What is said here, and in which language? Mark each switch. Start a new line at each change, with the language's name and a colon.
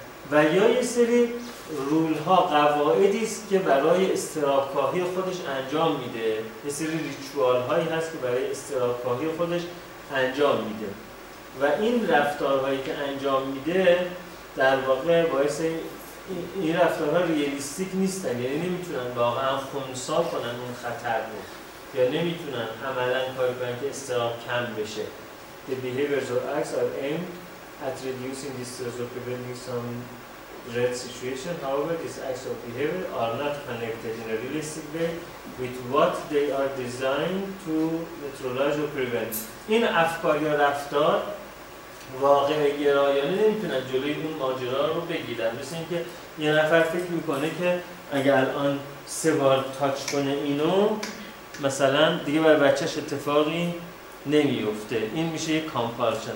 Persian: و یا یه سری رول ها، قواعدی است که برای استراب کاهی خودش انجام میده، یه سری ریچوال هایی هست که برای استراب کاهی خودش انجام میده و این رفتارهایی که انجام میده در واقع باعث این رفتارها ریالیستیک نیستن، یعنی نمیتونن واقعا خونسا کنن اون خطر رو یا نمیتونن عملا کاری کنن که استراب کم بشه.
English: The behaviors or acts are aimed at reducing distress or preventing some dread situation. However, these acts of behavior are not connected in a realistic way with what they are designed to neutralize or prevent.
Persian: این افکار یا رفتار واقع گرایانه نمیتونن جلوی اون ماجرا رو بگیرن. مثل اینکه یه نفر فکر میکنه که اگر الان سه بار تاچ کنه اینو مثلا دیگه برای بچهش اتفاقی نمیفته، این میشه یک کامپالشن.